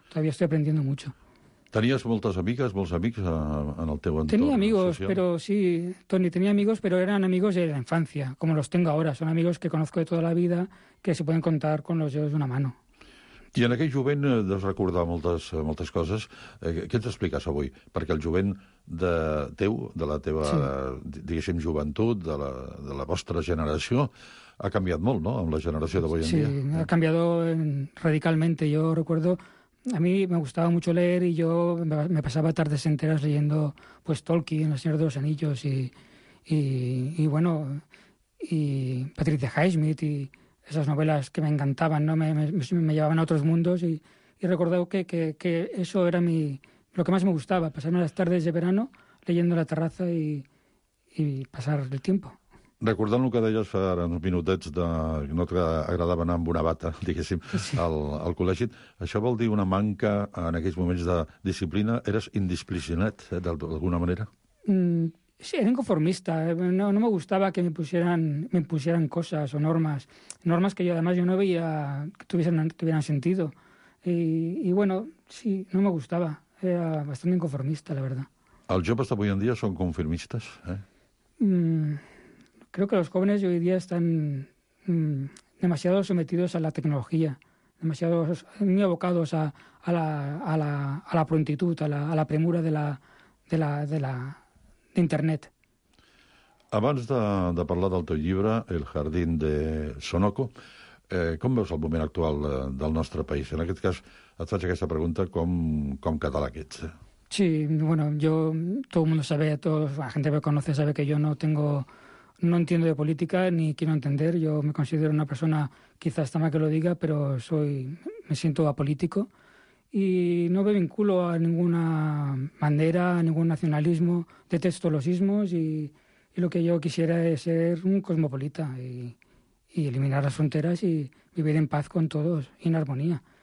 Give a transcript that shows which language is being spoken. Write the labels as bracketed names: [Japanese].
[Spanish] Todavía estoy aprendiendo mucho. ¿Tenías muchas amigas, muchos amigos en el teu entorno? Tenía amigos, social? Pero sí, Tony, tenía amigos, pero eran amigos de la infancia, como los tengo ahora. Son amigos que conozco de toda la vida, que se pueden contar con los dedos de una mano. [Catalan] I en aquell jovent deus recordar moltes coses. Què ens expliques avui? Perquè el jovent de la teva, sí, diguéssim, joventut, de la vostra generació, ha canviat molt, no?, amb la generació d'avui en sí, dia. Sí, ha canviat radicalment. [Spanish] Jo recuerdo, a mi me gustaba mucho leer y yo me pasaba tardes enteras leyendo pues Tolkien, El Señor de los Anillos y bueno, y Patricia Highsmith y esas novelas que me encantaban, ¿no? Me llevaban a otros mundos y recordaba que eso era lo que más me gustaba, pasarme las tardes de verano leyendo la terraza y pasar el tiempo. [Catalan] Recordant el que deies fa uns minutets de que no t'agradava anar amb una bata, diguéssim, sí, al col·legi, això vol dir una manca en aquells moments de disciplina? Eres indisciplinat, d'alguna manera? [Spanish] Sí, era inconformista. No me gustava que me pusieran coses o normes. Normes que jo, además, yo no veia que tuvieran sentido. Y bueno, sí, no me gustava. Era bastante inconformista, la verdad. [Catalan] Els joves d'avui en dia són conformistes, eh? [Spanish] Creo que los jóvenes hoy día están demasiado sometidos a la tecnología, demasiado muy abocados a la prontitud, a la premura de Internet. [Catalan] Abans de parlar del teu llibre, El jardín de Sonoco, com veus el moment actual del nostre país? En aquest cas, et faig aquesta pregunta, com català que ets? [Spanish] Sí, bueno, yo, todo el mundo sabe, la gente que me conoce sabe que yo no entiendo de política ni quiero entender. Yo me considero una persona, quizás está mal que lo diga, pero me siento apolítico y no me vinculo a ninguna bandera, a ningún nacionalismo, detesto los ismos y lo que yo quisiera es ser un cosmopolita y eliminar las fronteras y vivir en paz con todos y en armonía.